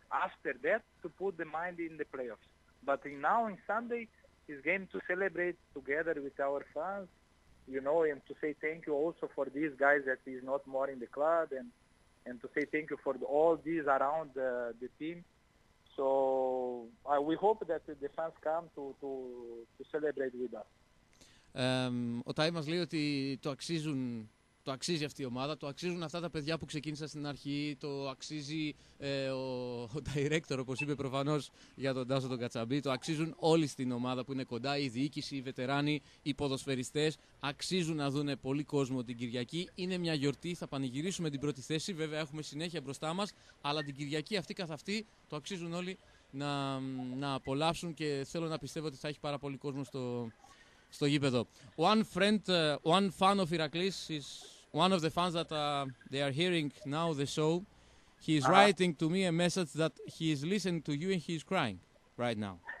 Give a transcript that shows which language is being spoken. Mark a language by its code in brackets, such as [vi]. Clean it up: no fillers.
[en] after that to put the mind in the playoffs. But in now in Sunday is game to celebrate together with our fans, you know, and to say thank you also for these guys that is not more in the club, and to say thank you for the, all these around the team. So we hope that the fans come to celebrate with us. [el] Ο Τάι μας λέει ότι το αξίζει αυτή η ομάδα, το αξίζουν αυτά τα παιδιά που ξεκίνησαν στην αρχή, το αξίζει ο director, όπως είπε προφανώς για τον Τάσο τον Κατσαμπή, το αξίζουν όλοι στην ομάδα που είναι κοντά, η διοίκηση, οι βετεράνοι, οι ποδοσφαιριστές, αξίζουν να δουν πολύ κόσμο την Κυριακή. Είναι μια γιορτή, θα πανηγυρίσουμε την πρώτη θέση, βέβαια έχουμε συνέχεια μπροστά μας, αλλά την Κυριακή αυτή καθ' αυτή το αξίζουν όλοι να απολαύσουν και θέλω να πιστεύω ότι θα έχει πάρα πολύ κόσμο στο γήπεδο. [en] One friend, one fan of Heracles is one of the fans that they are hearing now the show. He is writing to me a message that he is listening to you and he is crying right now.